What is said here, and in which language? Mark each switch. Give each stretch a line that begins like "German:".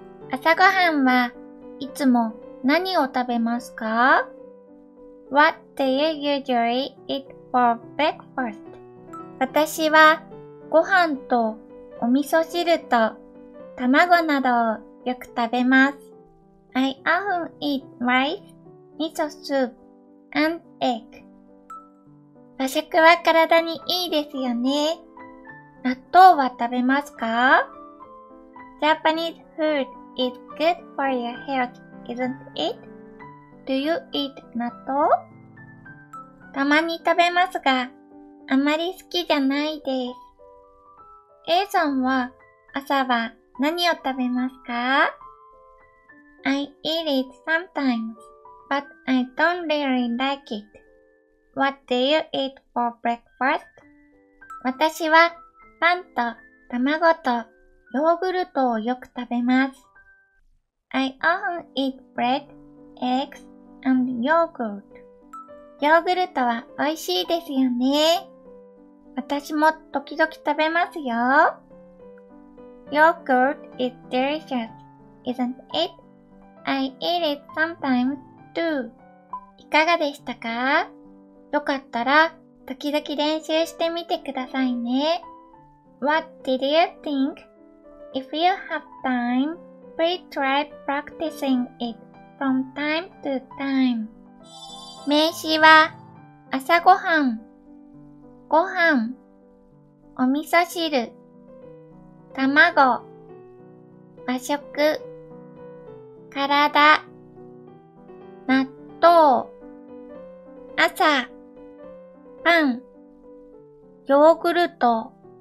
Japanese: 朝ごはんはいつも何を食べますか？
English: What do you usually eat for breakfast?
Japanese: 私はご飯とお味噌汁と卵などをよく食べます。
English: I often eat rice, miso soup, and egg.
Japanese: 和食は体にいいですよね。納豆は食べますか？
English: Japanese food is good for your health, isn't it? Do you eat 納豆？
Japanese: たまに食べますが、あまり好きじゃないです。 A さんは朝は何を食べますか？
English: I eat it sometimes, but I don't really like it. What do you eat for breakfast?
Japanese: 私はパンと卵とヨーグルトをよく食べます。
English: I often eat bread, eggs,And yogurt.
Japanese: ヨーグルトは美味しいですよね。私も時々食べますよ。
English: Yogurt is delicious, isn't it? I eat it sometimes too.
Japanese: いかがでしたか？よかったら時々練習してみてくださいね。
English: What did you think? If you have time, please try practicing it. From time to time.
Japanese: 名詞は朝ごはん、ご飯、お味噌汁、卵、和食、体、納豆、朝、パン、ヨーグルト。